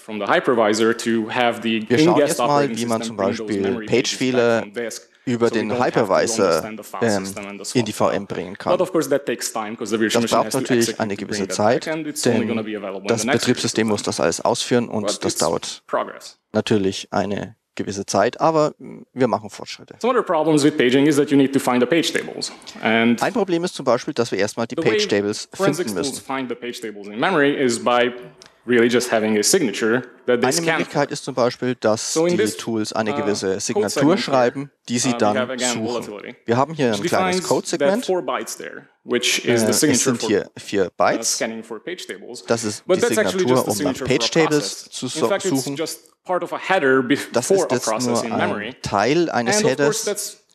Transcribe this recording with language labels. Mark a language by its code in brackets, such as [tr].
[de] Wir schauen jetzt mal, wie man zum Beispiel Page-Fehler über den Hypervisor in die VM bringen kann. Das braucht natürlich eine gewisse Zeit, denn das Betriebssystem muss das alles ausführen und das dauert natürlich eine gewisse Zeit, aber wir machen Fortschritte. [en] Some other problems with paging is that you need to find the page tables. [de] And ein Problem ist zum Beispiel, dass wir erstmal die Page Tables finden müssen. [en] To find the page tables in memory is by really just having a signature that they scan. [de] Eine Möglichkeit ist zum Beispiel, dass die Tools eine gewisse Signatur schreiben, die sie dann suchen. Wir haben hier ein kleines Code-Segment. Es sind hier 4 Bytes. Das ist die Signatur, um nach Page Tables zu suchen. Das ist jetzt nur ein Teil eines Headers.